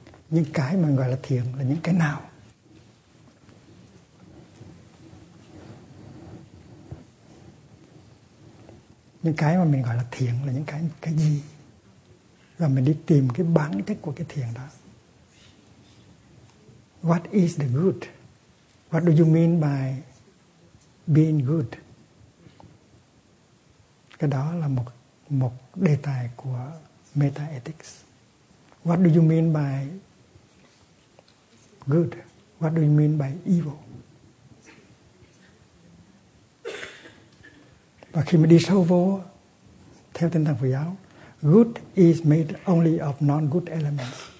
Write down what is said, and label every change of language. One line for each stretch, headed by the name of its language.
Vietnamese: Những cái mà gọi là thiện là những cái nào? Những cái mà mình gọi là thiện là những cái gì? Và mình đi tìm cái bản chất của cái thiện đó.
English: What is the good? What do you mean by being good?
Vietnamese: Cái đó là một đề tài của meta ethics.
English: What do you mean by good? What do you mean by evil?
Vietnamese: Và khi mà đi sâu vô, theo tinh thần Phật giáo,
English: good is made only of non-good elements.